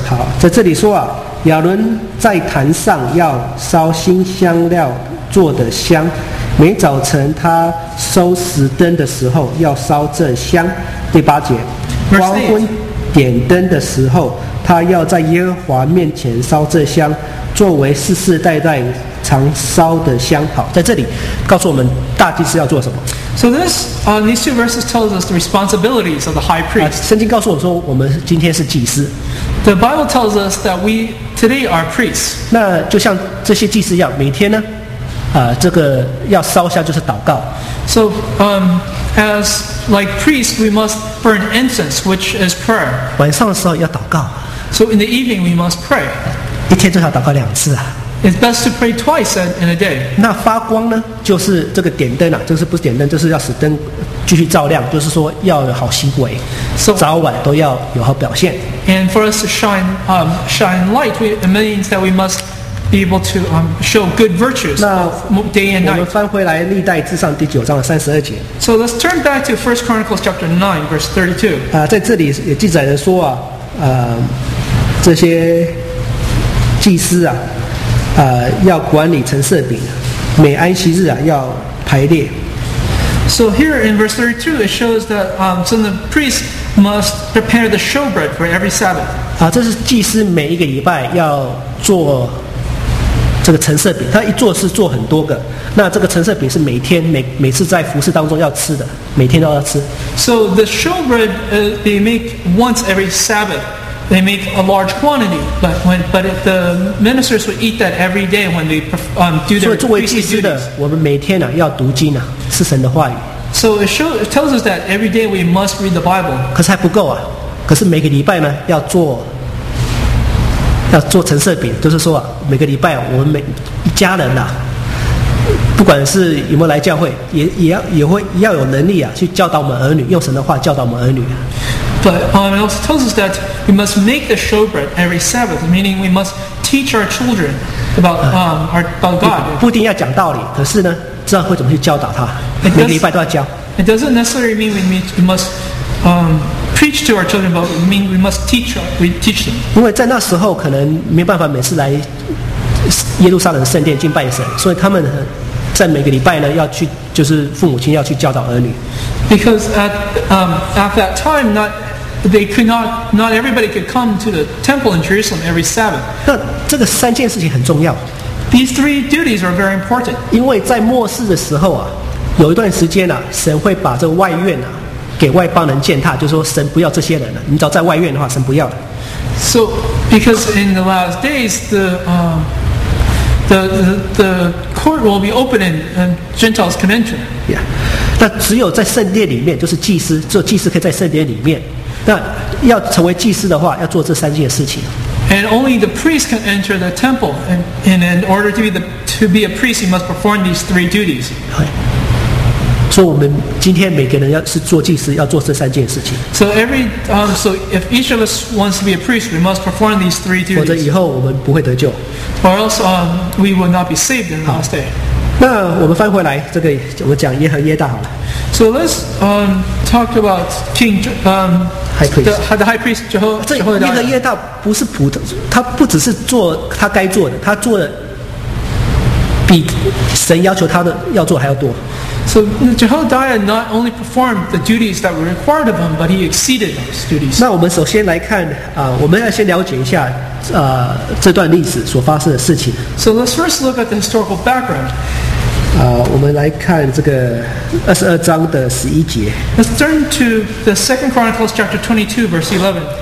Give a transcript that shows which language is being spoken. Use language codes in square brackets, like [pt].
[zh] 好，在这里说啊，亚伦在坛上要烧新香料做的香，每早晨他收拾灯的时候要烧这香。第八节，黄昏点灯的时候，他要在耶和华面前烧这香。作为世世代代常烧的香，好，在这里告诉我们大祭司要做什么。 [en] So this, these two verses tells us the responsibilities of the high priest. [zh] 圣经告诉我说，我们今天是祭司。 [en] The Bible tells us that we today are priests. [zh] 那就像这些祭司一样，每天呢，这个要烧香就是祷告。 [en] So, as like priests, we must burn incense, which is prayer. [zh] 晚上的时候要祷告。 [en] So in the evening, we must pray. [zh] 一天最好祷告两次啊。 [en] It's best to pray twice in a day. [zh] 那发光呢，就是这个点灯啊，就是不是点灯，就是要使灯继续照亮，就是说要有好行为， [en] so, [zh] 早晚都要有好表现。 [en] And for us to shine, shine light, it means that we must be able to, show good virtues day and night. [zh] 那我们翻回来历代志上第九章的三十二节。 [en] So let's turn back to First Chronicles chapter 9, verse 32. [zh] 在这里也记载着说啊，这些。祭司啊，要管理陈设饼，每安息日啊要排列。 [en] So here in verse 32, it shows that so the priest must prepare the showbread for every Sabbath. [zh] 这是祭司每一个礼拜要做这个陈设饼，他一做是做很多个。那这个陈设饼是每天每次在服事当中要吃的，每天都要吃。 [en] So the showbread they make once every Sabbath. They make a large quantity, but if the ministers would eat that every day when they do their priestly duties. [zh] 所以作为祭司的，我们每天呢要读经啊，是神的话语。 [en] So it tells us that every day we must read the Bible. [zh] 可是还不够啊，可是每个礼拜呢要做陈设饼，就是说啊，每个礼拜我们每一家人呐、啊，不管是有没有来教会，也要有能力啊，去教导我们儿女，用神的话教导我们儿女。 [en] But it also tells us that we must make the showbread every Sabbath, meaning we must teach our children about God. [zh] 不一定要讲道理，可是呢，知道会怎么去教导他。每个礼拜都要教。 [en] It doesn't necessarily mean we must preach to our children, but we mean we must teach them. [zh] 因为在那时候可能没办法每次来耶路撒冷圣殿敬拜神，所以他们在每个礼拜呢要去，就是父母亲要去教导儿女。 [en] Because at that time, not everybody could come to the temple in Jerusalem every Sabbath. [zh] 那这个三件事情很重要。 [en] These three duties are very important. [zh] 因为在末世的时候啊，有一段时间啊，神会把这个外院啊给外邦人践踏，就说神不要这些人了。你只要在外院的话，神不要了。 [en] So because in the last days, the court will be open and Gentiles can enter. Yeah. [zh] 那只有在圣殿里面，就是祭司，只有祭司可以在圣殿里面。那要成为祭司的话，要做这三件事情。 [en] And only the priest can enter the temple, and in order to be a priest, he must perform these three duties. [zh] 所以我们今天每个人要是做祭司，要做这三件事情。 [en] So every so if each of us wants to be a priest, we must perform these three duties. [zh] 否则以后我们不会得救。 [en] Or else we will not be saved in the last day. [zh] 那我们翻回来，这个我们讲耶和耶大好了。 [en] So let's talk about King the High Priest Jehoiada. [zh] 这耶和耶大不是普通，他不只是做他该做的，他做的比神要求他的要做还要多。 [en] So Jehoiada not only performed the duties that were required of him, but he exceeded those duties. [zh] 那我们首先来看我们要先了解一下这段历史所发生的事情。 [en] So let's first look at the historical background. [zh] 我们来看这个22章的11节。 [en] Let's turn to the Second Chronicles chapter 22, verse 11.